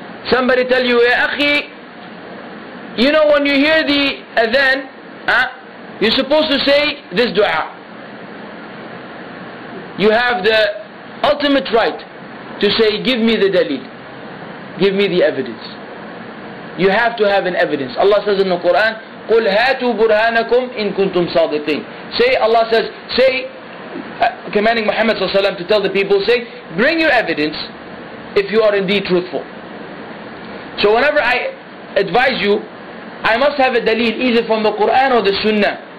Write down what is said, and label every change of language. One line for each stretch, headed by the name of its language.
English: Somebody tell you, ya akhi, you know when you hear the adhan, you're supposed to say this dua. You have the ultimate right to say, give me the dalil, give me the evidence. You have to have an evidence. Allah says in the Quran,
Arabic: قُلْ هَاتُوا بُرْهَانَكُمْ إِن كُنْتُمْ صَادِقِينَ.
English: Say, Allah says, say, commanding Muhammad ﷺ to tell the people, say, bring your evidence if you are indeed truthful. So whenever I advise you, I must have a dalil either from the Quran or the Sunnah.